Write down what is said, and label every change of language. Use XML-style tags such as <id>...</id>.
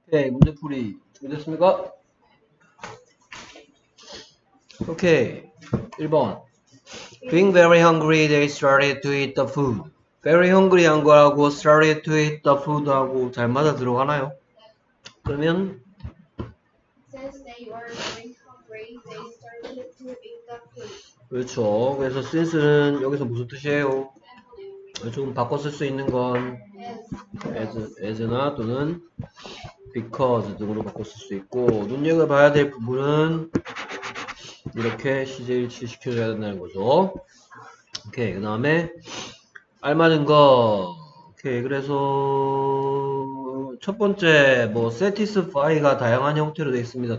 <ko>네, 문제풀이 되셨습니까? 오케이, 1번.</ko> <en>Being very hungry, they started to eat the food. Very hungry</en> <ko>한 거라고</ko> <en>started to eat the food</en> <ko>하고 잘 맞아 들어가나요? 그러면</ko> <en>Since they were very hungry, they started to eat the food.</en> <ko>그렇죠. 그래서 since는 여기서 무슨 뜻이에요? 조금 바꿔 쓸수 있는 건 as나 또는 because 등으로 바꿨을 수 있고, 눈여겨봐야 될 부분은 이렇게 시제 일치시켜줘야 된다는 거죠. 오케이, 그 다음에 알맞은 거. 오케이, 그래서 첫 번째, 뭐 satisfy가 다양한 형태로 되어 있습니다.</ko>